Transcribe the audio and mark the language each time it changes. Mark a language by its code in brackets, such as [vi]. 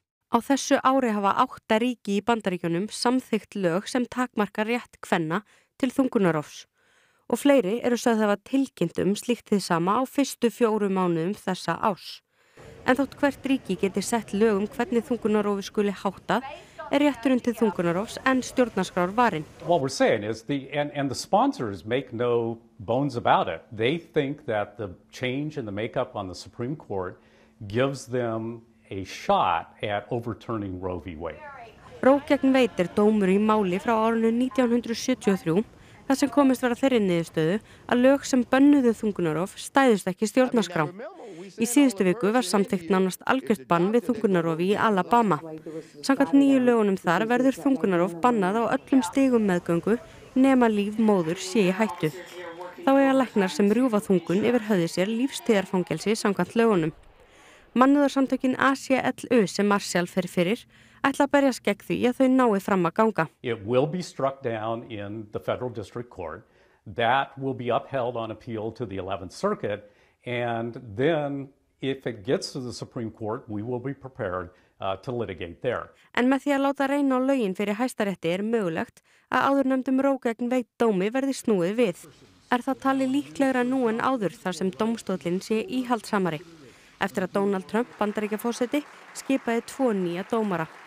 [is] Á þessu ári hafa 8 ríki í Bandaríkjunum samþykkt lög sem takmarka rétt kvenna til þungunarrofs. Og fleiri eru sögð hafa tilkynnt slíkt hið sama á fyrstu 4 mánuðum þessa árs. En þótt hvert ríki geti sett lög hvernig þungunarrofi skuli háttað, rétturinn til þungunarrofs en stjórnarskrár varinn. [en] What we're saying is the sponsors make no bones about it. They think that the change in the makeup on the Supreme Court gives them a shot at overturning Roe v. Wade. [is] Roe gegn Wade er dómur í máli frá árinu 1973 þar sem komist var að þeirri niðurstöðu að lög sem bönnuðu þungunarrof stæðust ekki stjórnarskrá. Í síðustu viku var samþykkt nánast algjört bann við þungunarrofi í Alabama. Samkvæmt nýju lögunum þar verður þungunarrof bannað á öllum stigum meðgöngu nema líf móður sé í hættu. Þá eiga læknar sem rjúfa þungun yfir höfði sér lífstíðarfangelsi samkvæmt lögunum. Mannúðarsamtökin ACLU sem Marshall fer fyrir ætla að berjast gegn því að þau nái fram að ganga. [en] It will be struck down in the federal district court. That will be upheld on appeal to the 11th circuit. And then if it gets to the Supreme Court, we will be prepared to litigate there. [is] En með því að láta reyna á lögin fyrir hæstarétti mögulegt að áðurnefndum Roe gegn Wade dómi verði snúið við. Það tali líklegra nú en áður þar sem dómstóllinn sé íhaldsamari. Eftir að Donald Trump, Bandaríkjaforseti, skipaði 2 nýja dómara.